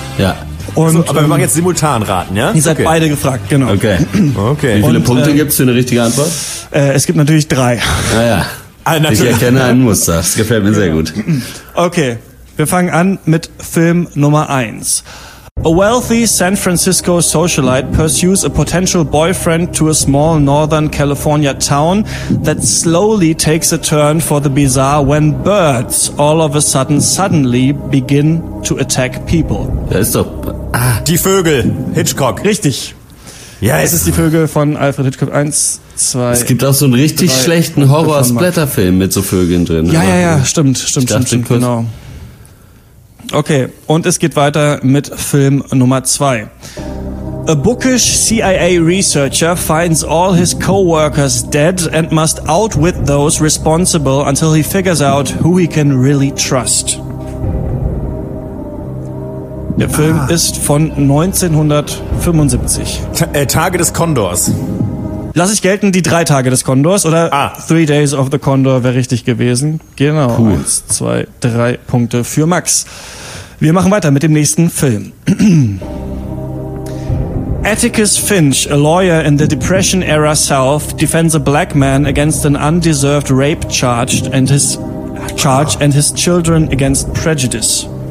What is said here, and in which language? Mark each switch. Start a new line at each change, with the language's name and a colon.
German: Ja. Und, aber wir machen jetzt simultan raten, ja? Ihr seid beide gefragt, genau. Okay. Okay. Wie viele Punkte gibt es für eine richtige Antwort? Es gibt natürlich 3. Naja. Ich erkenne ein Muster. Das gefällt mir sehr gut. Okay. Wir fangen an mit Film Nummer 1.
English: A wealthy San Francisco socialite pursues a potential boyfriend to a small Northern California town that slowly takes a turn for the bizarre when birds all of a sudden suddenly begin to attack people.
German: Das ist doch... Die Vögel, Hitchcock. Richtig. Ja, es ist Die Vögel von Alfred Hitchcock. 1, 2. Es gibt auch so einen richtig schlechten Horror-Splatter-Film mit so Vögeln drin. Ja, ja, ja, stimmt, genau. Okay, und es geht weiter mit Film Nummer 2.
English: A bookish CIA researcher finds all his co-workers dead and must outwit those responsible until he figures out who he can really trust.
German: Der Film ist von 1975. Tage des Kondors. Lass ich gelten, die 3 Tage des Kondors, oder? Ah. 3 Days of the Condor wäre richtig gewesen. Genau. Puh. 1, 2, 3 Punkte für Max. Wir machen weiter mit dem nächsten Film.
English: Atticus Finch, a lawyer in the Depression era South, defends a black man against an undeserved rape charge and his children against prejudice.